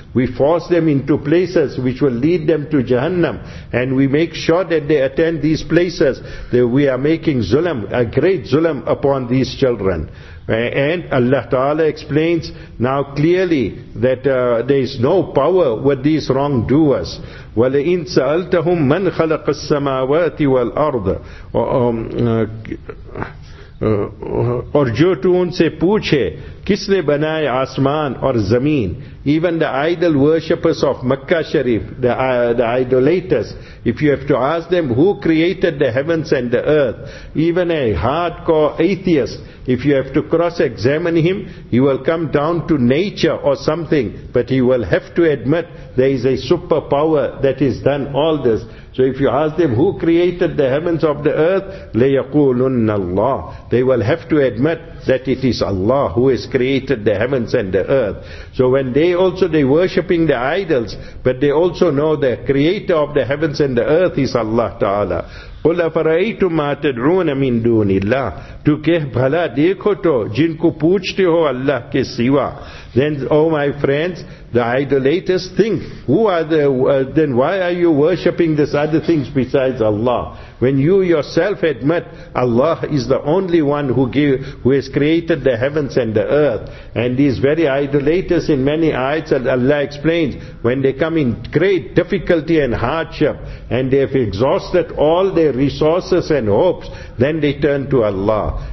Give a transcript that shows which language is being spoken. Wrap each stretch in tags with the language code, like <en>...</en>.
<en>We force them into places which will lead them to Jahannam. And we make sure that they attend these places. That we are making zulam, a great zulam upon these children. And Allah Ta'ala explains now clearly that there is no power with these wrongdoers.</en> <ar>وَلَئِن سَأَلْتَهُمْ مَنْ خَلَقَ السَّمَاوَاتِ وَالْأَرْضَ</ar> <ur>اور جو تو ان سے پوچھے کس نے بنائے آسمان اور زمین.</ur> <en>Even the idol worshippers of Makkah Sharif, the idolaters, if you have to ask them who created the heavens and the earth, even a hardcore atheist, if you have to cross-examine him, he will come down to nature or something, but he will have to admit there is a superpower that has done all this. So if you ask them who created the heavens of the earth,</en> <ar>لَيَقُولُنَّ اللَّهِ,</ar> <en>they will have to admit that it is Allah who has created the heavens and the earth. So when they worshipping the idols, but they also know the creator of the heavens and the earth is Allah Ta'ala.</en> <ar>قُلْ أَفَرَأَيْتُمْ مَا تَدْعُونَ مِنْ دُونِ اللَّهِ.</ar> <ur>تو کہہ بھلا دیکھو تو جن کو پوچھتے ہو اللہ کے سیوا.</ur> <en>Then, oh my friends, the idolaters think, who are the, then why are you worshipping these other things besides Allah? When you yourself admit Allah is the only one who has created the heavens and the earth. And these very idolaters, in many ayats, Allah explains, when they come in great difficulty and hardship, and they have exhausted all their resources and hopes, then they turn to Allah.</en>